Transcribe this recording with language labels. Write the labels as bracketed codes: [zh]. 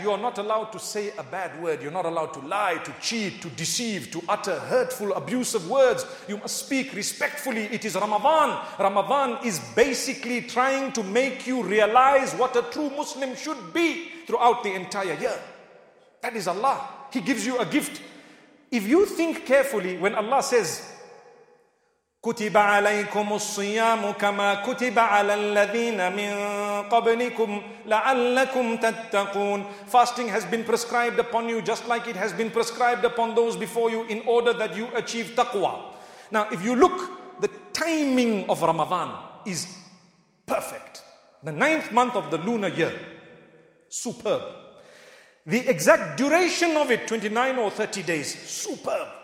[en] You're not allowed to say a bad word. You're not allowed to lie, to cheat, to deceive, to utter hurtful, abusive words. You must speak respectfully. It is Ramadan. Ramadan is basically trying to make you realize what a true Muslim should be throughout the entire year. That is Allah. He gives you a gift. [ar] If you think carefully, when Allah says, كُتِبَ عَلَيْكُمُ الصِّيَامُ كَمَا كُتِبَ عَلَى الَّذِينَ مِن قَبْلِكُمْ لَعَلَّكُمْ تَتَّقُونَ. [en] Fasting has been prescribed upon you just like it has been prescribed upon those before you in order that you achieve taqwa. Now, if you look, the timing of Ramadan is perfect. The ninth month of the lunar year, superb. The exact duration of it, 29 or 30 days, superb.